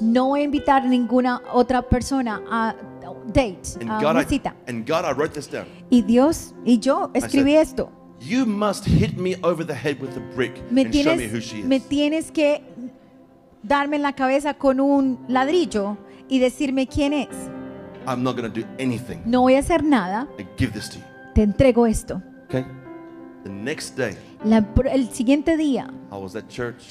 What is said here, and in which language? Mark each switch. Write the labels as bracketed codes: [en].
[es] No voy a invitar ninguna otra persona a date, a una cita. [en] And God, I wrote this down. [es] Y Dios y yo escribí esto. [en] You must hit me over the head with a brick and show me who she is. [es] Me tienes que darme en la cabeza con un ladrillo y decirme quién es. [en] I'm not going to do anything. [es] No voy a hacer nada. [en] I give this to you. [es] Te entrego esto. [en] Okay. The next day. [es] El siguiente día. [en] I was at church.